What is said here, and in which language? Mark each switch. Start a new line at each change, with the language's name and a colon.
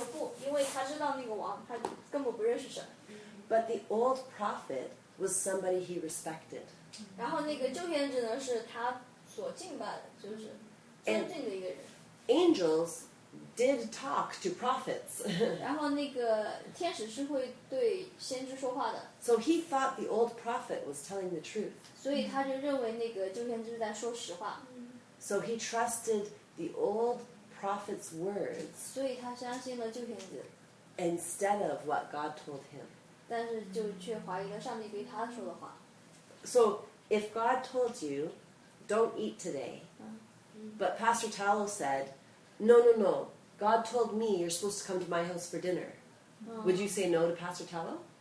Chinese: 然后那个当王跟他说到我家吃饭的时候，他说不，因为他知道那个王他根本不认识神。
English: But the old prophet was somebody he respected.
Chinese: 然后那个旧先知呢是他所敬拜的，就是尊敬的一个人。
English: Angels did talk to prophets.
Chinese: 然后那个天使是会对先知说话的。
English: So he thought the old prophet was telling the truth.
Chinese: 所以他就认为那个旧先知在说实话。
English: So he trusted the old prophet's words
Chinese: 所以他相信了旧天子,
English: instead of what God told him.
Chinese: 但是就却怀疑了上帝对他说的话。
English: So if God told you, don't eat today, but Pastor Talo said, no, God told me you're supposed to come to my house for dinner, would you say no to Pastor Talo?